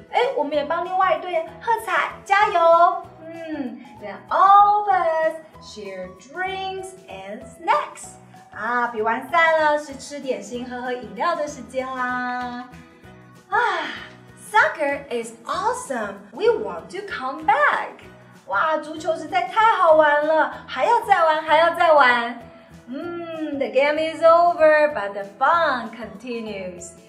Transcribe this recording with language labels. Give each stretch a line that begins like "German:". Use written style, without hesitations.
Chinese: 哎，我们也帮另外一队喝彩，加油！
English: Then all of us share drinks and snacks.
Chinese: 啊，比完赛了，是吃点心、喝喝饮料的时间啦。
English: 啊 ，Soccer is awesome. We want to come back.
Chinese: 哇，足球实在太好玩了，还要再玩，还要再玩。
English: The game is over, but the fun continues.